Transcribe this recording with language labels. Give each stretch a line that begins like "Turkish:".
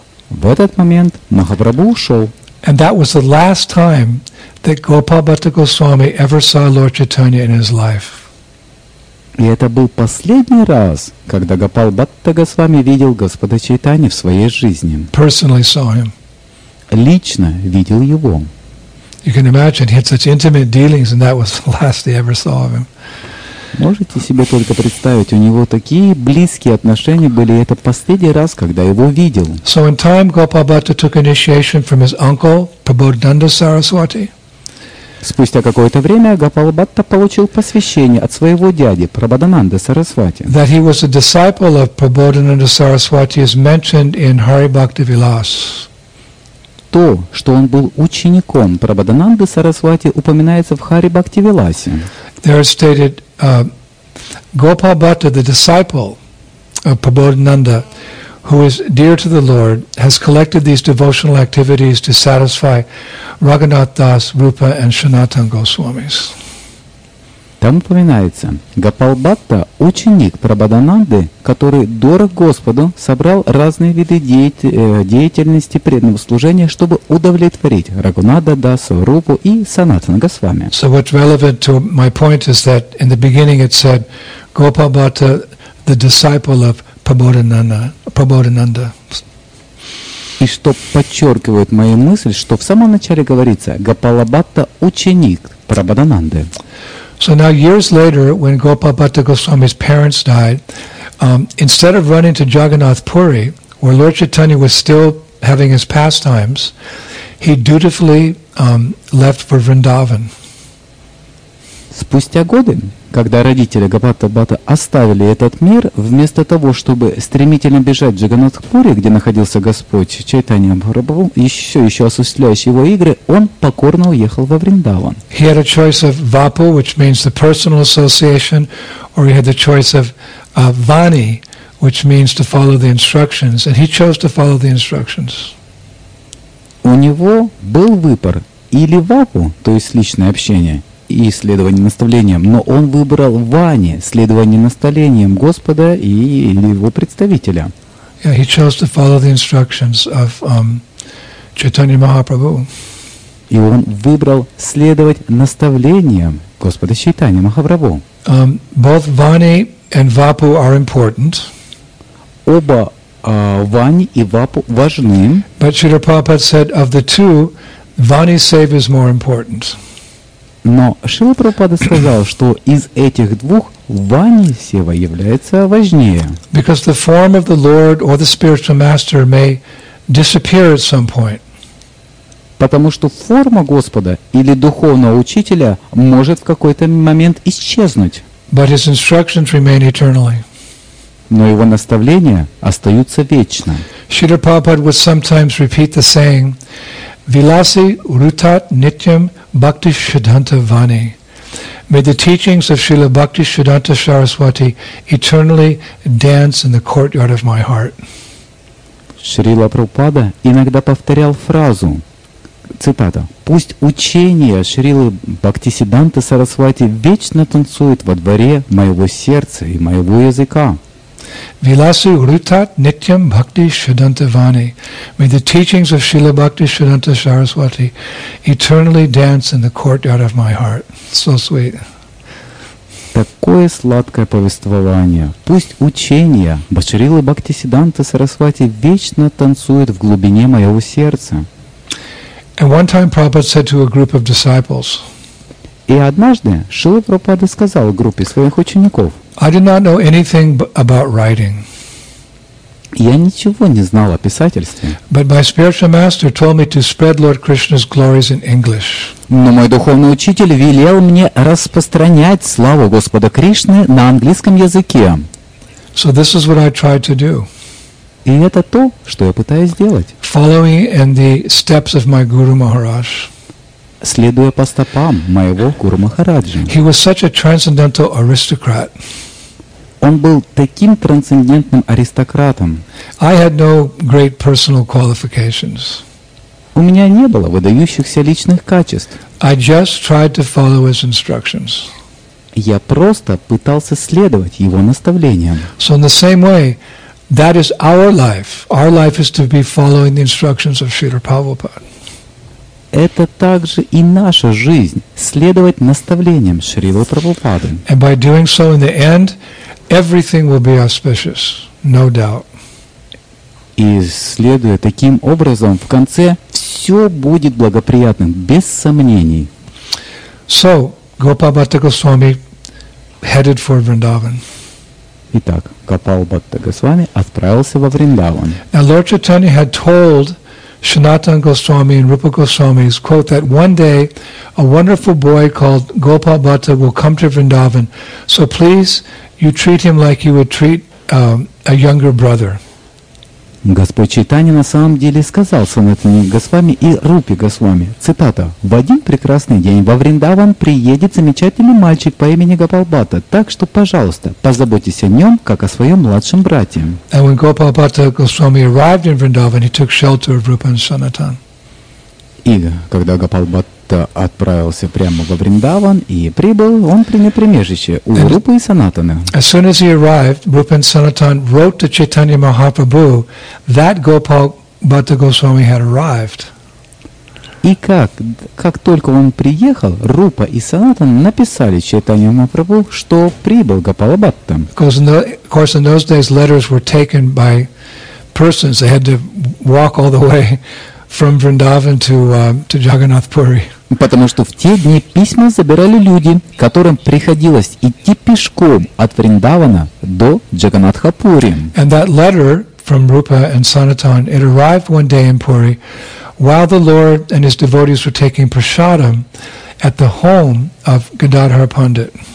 Russian: В этот момент Махапрабху ушел.
English: And that was the last time that Gopal Bhatta Goswami ever saw Lord Chaitanya in his life.
Russian: И это был последний раз, когда Гопал Бхатта Госвами видел Господа Чайтани в своей жизни.
English: Personally saw him.
Russian: Лично видел его.
English: You can imagine he had such intimate dealings, and that was the last they ever saw of him.
Russian: Можете себе только представить, у него такие близкие отношения были, и это последний раз, когда его видел.
English: So in time, Gopal Bhatta took initiation from his uncle, Prabodhananda Saraswati.
Russian: Спустя какое-то время Гопал Бхатта получил посвящение от своего дяди Прабодхананды Сарасвати.
English: That he was a disciple of Prabodhananda Saraswati is mentioned in Hari Bhakti Vilas.
Russian: То, что он был учеником Прабодхананды Сарасвати, упоминается в Хари Бхакти Виласе.
English: There is stated, Gopal Bhatta, the disciple of Prabodhananda, who is dear to the Lord, has collected these devotional activities to satisfy Raghunath Das, Rupa, and Sanatan Goswamis.
Russian: Там упоминается, Гопал Бхатта, ученик Прабодхананды, который дорог Господу, собрал разные виды деятельности преданного служения, чтобы удовлетворить Рагунатха Даса, Рупу и Санатана Госвами.
English: So what's relevant to my point is that in the beginning it said, Gopal Bhatta, the disciple of Prabodhananda.
Russian: И что подчеркивает мою мысль, что в самом начале говорится, Гопал Бхатта, ученик Прабодхананды.
English: So now years later, when Gopal Bhatta Goswami's parents died, instead of running to Jagannath Puri, where Lord Chaitanya was still having his pastimes, he dutifully left for Vrindavan.
Russian: Спустя годы, когда родители Гопала Бхатты оставили этот мир, вместо того, чтобы стремительно бежать в Джаганнат Пури, где находился Господь Чайтанья Махапрабху, еще осуществляющий его игры, он покорно уехал во Вриндаван.
English: He had a choice of Vapu, which means the personal association, or he had the choice of Vani, which means to follow the instructions, and he chose to follow the instructions.
Russian: У него был выбор или Вапу, то есть личное общение, и следование наставлениям, но он выбрал Вани, следование наставлениям Господа и его представителя.
English: Yeah, he chose to follow the instructions of Chaitanya Mahaprabhu.
Russian: И он выбрал следовать наставлениям Господа Чайтанья Махапрабху.
English: Both Vani and Vapu are important.
Russian: Оба Вани и Вапу важны.
English: But Srila Prabhupada said of the two, Vani Seva is more important.
Russian: Но Шрила Прабхупада сказал, что из этих двух Вани Сева является важнее.
English: Because the form of the Lord or the spiritual master may disappear at some point.
Russian: Потому что форма Господа или духовного учителя может в какой-то момент исчезнуть.
English: But his instructions remain eternally.
Russian: Но его наставления остаются вечно.
English: Шрила Прабхупада would sometimes repeat the saying,
Sanskrit: Vilasi Rutat Nityam Bhakti Siddhanta Vani.
English: May the teachings of Srila Bhakti Siddhanta Saraswati eternally dance in the courtyard of my heart.
Russian: Шрила Прабхупада иногда повторял фразу, цитата, «Пусть учение Шрилы Бхакти Сиддханта Сарасвати вечно танцует во дворе моего сердца и моего языка».
Sanskrit: Vilasu Rutat Nityam Bhakti Siddhanta Vani.
English: May the teachings of Srila Bhakti Siddhanta Saraswati eternally dance in the courtyard of my heart. So sweet.
Russian: Такое сладкое повествование. Пусть учение Бачарилы Бхакти Сиддханта Сарасвати вечно танцует в глубине моего сердца.
English: And one time Prabhupada said to a group of disciples,
Russian: и однажды Шрила Прабхупада сказал группе своих учеников,
English: I did not know anything about writing.
Russian: Я ничего не знал о писательстве.
English: But my spiritual master told me to spread Lord Krishna's glories in English.
Russian: Но мой духовный учитель велел мне распространять славу Господа Кришны на английском языке.
English: So this is what I tried to do.
Russian: И это то, что я пытаюсь сделать.
English: Following in the steps of my Guru Maharaj.
Russian: Следуя по стопам моего Гуру Махараджи.
English: He was such a transcendental aristocrat.
Russian: Он был таким трансцендентным аристократом.
English: I had no great personal qualifications.
Russian: У меня не было выдающихся личных качеств.
English: I just tried to follow his instructions.
Russian: Я просто пытался следовать его наставлениям.
English: So in the same way, that is our life. Our life is to be following the instructions of Śrīla Prabhupāda.
Russian: Это также и наша жизнь, следовать наставлениям Шрилы Прабхупады.
English: And by doing so in the end, everything will be auspicious, no doubt.
Russian: И следуя таким образом, в конце все будет благоприятным, без сомнений.
English: So, Gopal Bhatta Goswami headed for Vrindavan.
Russian: Итак, Гопал Бхатта Госвами отправился во Вриндаван.
English: And Lord Chaitanya had told Sanatana Goswami and Rupa Goswami's quote that one day a wonderful boy called Gopal Bhatta will come to Vrindavan. So please, you treat him like you would treat a younger brother.
Russian: Господь Чайтанья на самом деле сказал Санатане Госвами и Рупе Госвами, цитата, «В один прекрасный день во Вриндаван приедет замечательный мальчик по имени Гопал Бхатта, так что, пожалуйста, позаботьтесь о нем, как о своем младшем брате».
English: And when Gopal Bhatta Goswami arrived in Vrindavan, he took shelter of Rupa and Sanatana.
Russian: И когда Гопал Бхатта отправился прямо во Вриндаван и прибыл, он принял прибежище у Рупы и Санатаны.
English: As soon as he arrived, Rupa and Sanatana wrote to Chaitanya Mahaprabhu that Gopal Bhatta Goswami had arrived.
Russian: И как только он приехал, Рупа и Санатана написали Чайтанья Махапрабху, что прибыл Гопал Бхатта.
English: Because of course, in those days, letters were taken by persons. They had to walk all the way from Vrindavan to Jagannath Puri.
Russian: Потому что в те дни письма забирали люди, которым приходилось идти пешком от Вриндавана до Джаганатхапури.
English: And that letter from Rupa and Sanatana, it arrived one day in Puri while the Lord and his devotees were taking prasadam at the home of Gadadhara Pandit.